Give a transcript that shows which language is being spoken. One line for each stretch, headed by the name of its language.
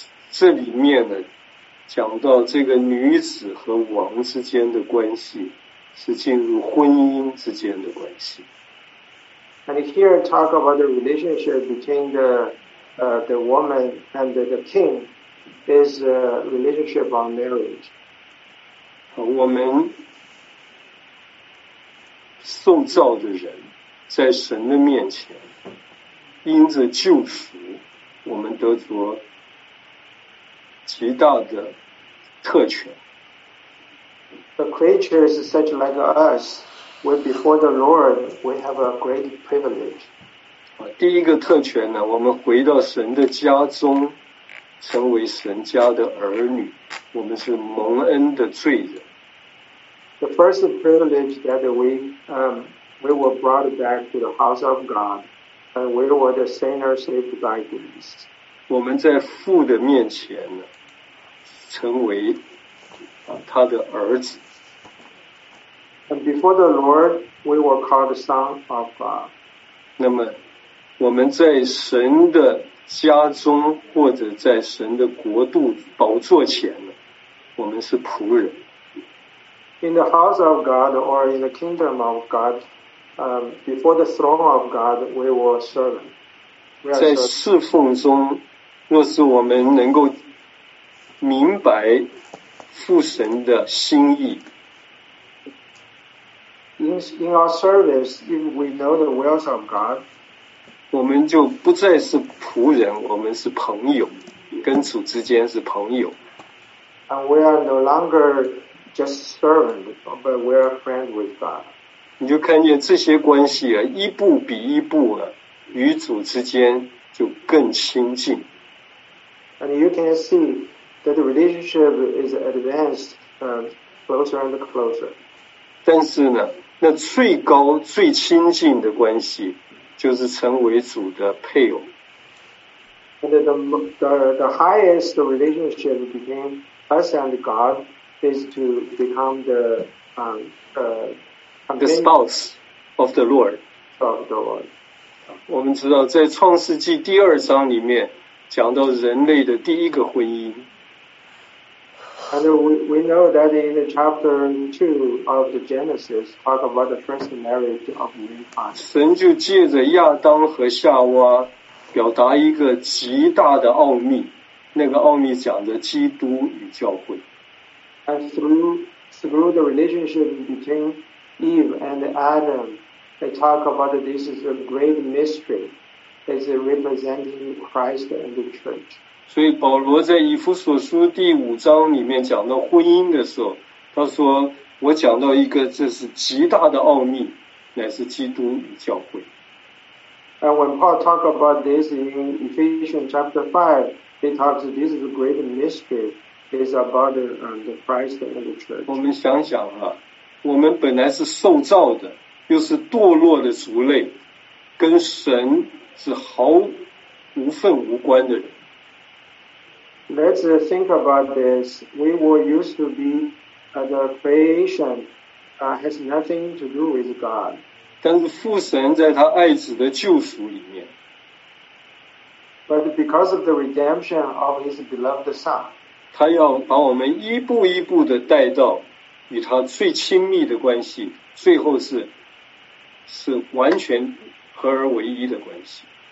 Chinese: 这里面呢讲到这个女子和王之间的关系是进入婚姻之间的关系。
English: And here talk about the relationship between the woman and the king is a relationship on marriage.
Chinese: 我们受造的人在神的面前因着救赎我们得着极大的特权。
English: The creatures such like us, when before the Lord, we have a great privilege.
Chinese: 第一个特权呢我们回到神的家中成为神家的儿女我们是蒙恩的罪人。
English: The first privilege that we were brought back to the house of God, and we were the sinners saved by grace.
Chinese: 我们在父的面前呢，成为他的儿子。
English: And before the Lord, we were called the son of God.
Chinese: 那么，我们在神的家中或者在神的国度宝座前呢，我们是仆人。
English: In the house of God or in the kingdom of God, before the throne of God, we were servants.
Chinese: 在侍奉中，若是我们能够明白父神的心意。
English: In our service, if we know the wills of God,
Chinese: 我们就不再是仆人，我们是朋友，跟主之间是朋友。
English: And we are no longer just servant, but we're a friend with God.
Chinese: 你就看见这些关系啊，一步比一步啊，与主之间就更亲近。
English: And you can see that the relationship is advanced, closer and closer.
Chinese: 但是呢，那最高最亲近的关系就是成为主的配偶。
English: And the highest relationship between us and God is to become the the spouse of the Lord. Of the Lord.
Chinese: 我们知道，在创世纪第二章里面讲到人类的第一个婚姻。
English: And we know that in chapter 2 of the Genesis, talk about the first marriage of mankind.
Chinese: 神就借着亚当和夏娃表达一个极大的奥秘，那个奥秘讲着基督与教会。
English: And through the relationship between Eve and Adam, they talk about that this is a great mystery, is representing Christ and the church.
Chinese: 所以保罗在以弗所书第五章里面讲到婚姻的时候，他说：“我讲到一个，这是极大的奥秘，乃是基督与教会。”
English: And when Paul talk about this in Ephesians chapter 5, he talks that this is a great mystery, is about the Christ and the church.
Chinese: 我们想想啊，我们本来是受造的，又是堕落的族类，跟神是毫无份无关的人。
English: Let's think about this. We were used to be the creation, has nothing to do with God.
Chinese: 但是父神在他爱子的救赎里面。
English: But because of the redemption of his beloved son,
Chinese: 他要把我们一步一步的带到与他最亲密的关系，最后是完全合而为一的关系。